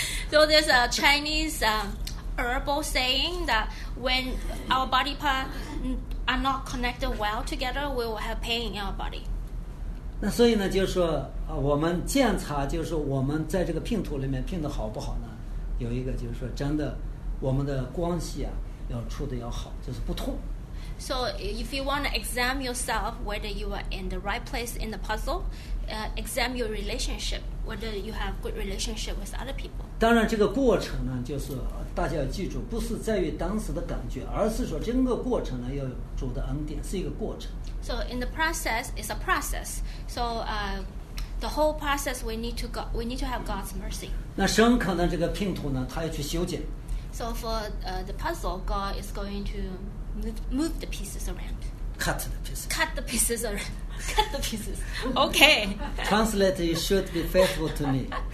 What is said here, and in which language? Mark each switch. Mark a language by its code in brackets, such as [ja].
[en] So there's a Chinese herbal saying that when our body part are not connected well together, we will have pain in our body. [zh] 那所以呢，就是说，我们检查，就是我们在这个拼图里面拼的好不好呢？有一个就是说，真的，我们的关系啊，要处得要好，就是不痛。 [en] So if you want to examine yourself whether you are in the right place in the puzzle, examine your relationship whether you have good relationship with other people. [zh] 当然，这个过程呢，就是。大家要记住，不是在于当时的感觉，而是说整个过程呢要有主的恩典，是一个过程。 [en] So in the process, it's a process. So the whole process we need to have God's mercy. [zh] 那神可能这个拼图呢，他要去修剪。 [en] So for the puzzle, God is going to move the pieces around. Cut the pieces. Cut the pieces around. Cut the pieces. Okay. Translate, you should be faithful to me.